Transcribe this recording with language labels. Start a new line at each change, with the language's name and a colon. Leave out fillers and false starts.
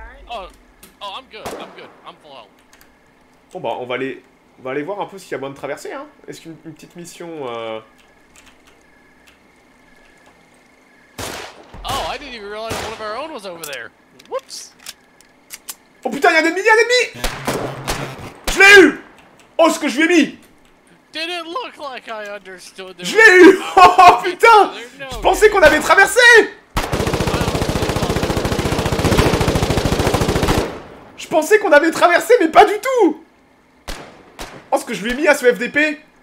English: Oh, I'm good, I'm full health.
French: Bon bah, on va aller voir un peu s'il y a moyen de traverser, hein. Est-ce qu'une une petite mission,
English: Oh, I didn't even realize one of our own was over there. Whoops!
French: Oh putain, y'a un ennemi! Je l'ai eu! Oh, ce que je lui ai mis!
English: Did it look like I understood there?
French: Je l'ai eu! Oh putain! Je pensais qu'on avait traversé! Je pensais qu'on avait traversé, mais pas du tout! Oh, ce que je lui ai mis à ce FDP!